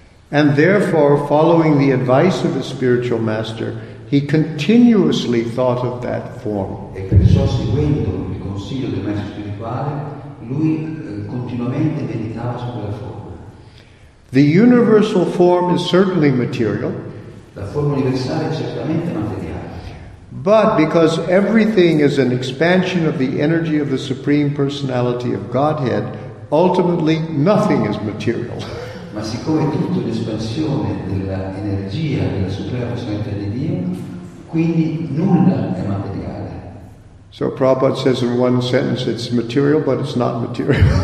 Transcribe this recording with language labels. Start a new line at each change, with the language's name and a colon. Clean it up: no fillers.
English: And therefore, following the advice of his spiritual master, he continuously thought of that form.
Italian: E perciò, seguendo il consiglio del maestro spirituale, lui continuamente meditava su quella forma.
English: The universal form is certainly material.
Italian: La forma universale è certamente materiale.
English: But because everything is an expansion of the energy of the Supreme Personality of Godhead, ultimately nothing is material.
Italian: Ma siccome tutto è l'espansione dell'energia della Suprema Personalità di Dio, quindi nulla è materiale.
English: So Prabhupada says in one sentence it's material, but it's not material.